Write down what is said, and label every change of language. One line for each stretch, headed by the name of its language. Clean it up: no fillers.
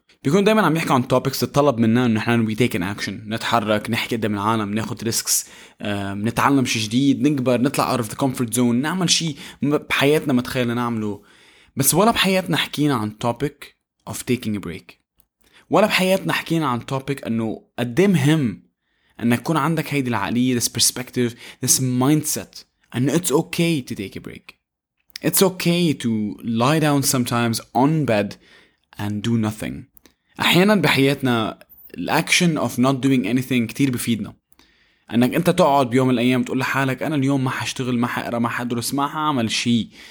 Arabic: بيكون دائما عم يحكوا عن توبكس تطلب منا انه نحن
English: we take an action,
Arabic: نتحرك، نحكي قدام العالم، ناخذ ريسكس، نتعلم شيء جديد، نكبر، نطلع
English: out of the comfort zone,
Arabic: نعمل شيء بحياتنا ما تخيلنا نعمله. بس ولا بحياتنا حكينا عن
English: topic of taking a break,
Arabic: ولا بحياتنا حكينا عن توبك انه قد ايه مهم انك يكون عندك هيدي العقليه،
English: This perspective, this mindset. And it's okay to take a break. It's okay to lie down sometimes on bed and do nothing.
Arabic: أحياناً بحياتنا الأكشن
English: of not doing anything
Arabic: كتير بفيدنا. أنك أنت تقعد بيوم الأيام تقول لحالك أنا اليوم ما هشتغل، ما هقرأ، ما هدرس، ما هعمل شيء.